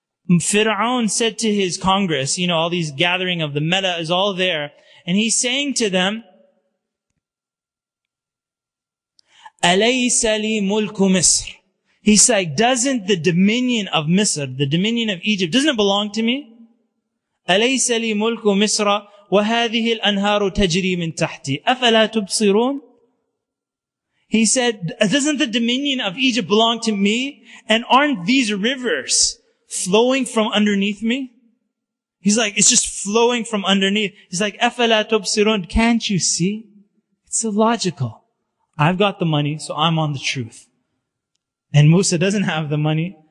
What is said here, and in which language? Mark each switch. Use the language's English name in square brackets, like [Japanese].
[English] Fir'aun said to his congress, you know, all these gathering of the mela is all there. And he's saying to them, [Arabic] أَلَيْسَ لِي مُلْكُ مِصْرِ [English] He's like, doesn't the dominion of Misr, the dominion of Egypt, doesn't it belong to me? [Arabic] أَلَيْسَ لِي مُلْكُ مِصْرَ وَهَذِهِ الْأَنْهَارُ تَجْرِي مِنْ تَحْتِي أَفَلَا تُبْصِرُونَ [English] He said, doesn't the dominion of Egypt belong to me? And aren't these rivers flowing from underneath me? He's like, it's just flowing from underneath. He's like, [Arabic] أَفَلَا تُبْصِرُونَ [English] Can't you see? It's illogical. I've got the money, so I'm on the truth. And Musa doesn't have the money.